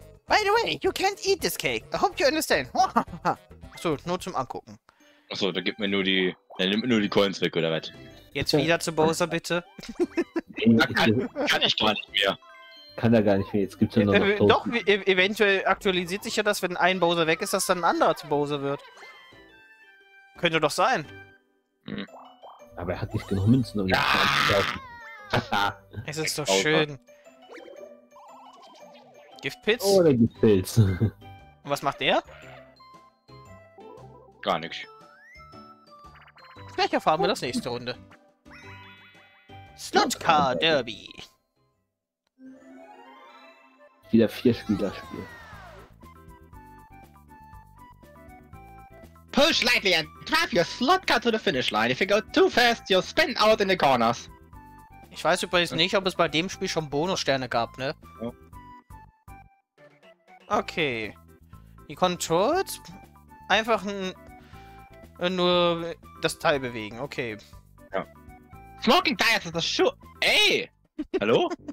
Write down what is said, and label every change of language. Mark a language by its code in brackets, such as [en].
[en] By the way, you can't eat this cake. I hope you understand. [de] Achso, nur zum Angucken. Achso, da gibt mir nur die. Der nimmt mir nur die Coins weg, oder was? Jetzt wieder zu Bowser, bitte. kann ich gar nicht mehr. Kann er gar nicht mehr, jetzt gibt's ja nur noch. Doch, eventuell aktualisiert sich ja das, wenn ein Bowser weg ist, dass dann ein anderer zu Bowser wird. Könnte doch sein. Aber er hat nicht genug Münzen, um ihn zu kaufen. Es ist doch schön. Giftpilz? Oh, der Giftpilz. Und was macht der? Gar nichts. Vielleicht erfahren wir das nächste Runde. [en] Slotcar Derby. [de] Wieder vier Spieler spielen. [en] Push lightly and drive your slot car to the finish line. If you go too fast, you'll spin out in the corners. [de] Ich weiß übrigens nicht, ob es bei dem Spiel schon Bonussterne gab, ne? Ja. Okay. Die Controls? Einfach nur das Teil bewegen, okay. Ja. Smoking Tires ist das Schuh. Ey! Hallo?